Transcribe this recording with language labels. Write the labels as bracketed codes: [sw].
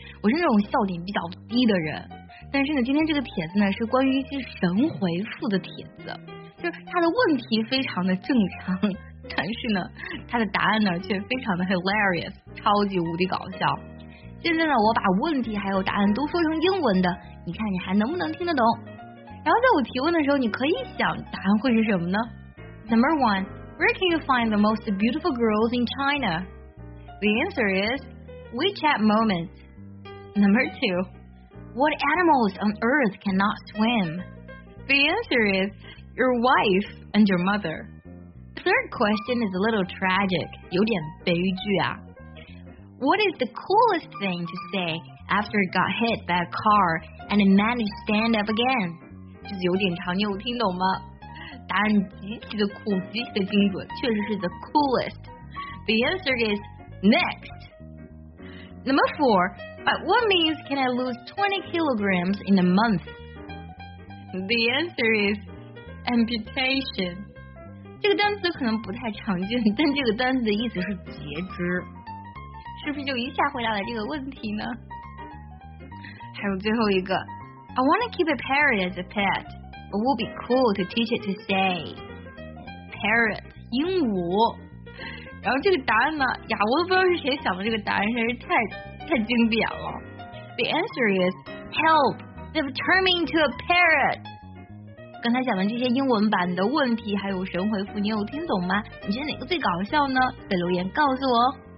[zh] 我是那种笑点比较低的人，但是呢，今天这个帖子呢是关于一些神回复的帖子，就是他的问题非常的正常，但是呢，他的答案呢却非常的 hilarious， 超级无敌搞笑。现在呢，我把问题还有答案都说成英文的，你看你还能不能听得懂？然后在我提问的时候，你可以想答案会是什么呢？ [en] Number one, where can you find the most beautiful girls in China? The answer is WeChat moment. Number two, what animals on earth cannot swim? The answer is your wife and your mother. Third question is a little tragic, [zh] 有点悲剧啊。 [en] What is the coolest thing to say after it got hit by a car and it managed to stand up again? [zh] 就是有点长，你有听懂吗？答案极其的酷，极其的精准，确实是 [en] the coolest. The answer is next. Number four, by what means can I lose 20 kilograms in a month? The answer is amputation. [zh] 这个单词可能不太常见，但这个单词的意思是截肢。是不是就一下回答了这个问题呢？还有最后一个， [en] I want to keep a parrot as a pet. It will be cool to teach it to say parrot 鹦鹉。 [zh] 然后这个答案呢，呀，我都不知道是谁想的这个答案，真是太经典了。 [en] The answer is help. They've turned me into a parrot. [zh] 刚才讲的这些英文版的问题还有神回复，你有听懂吗？你觉得哪个最搞笑呢？在留言告诉我哦。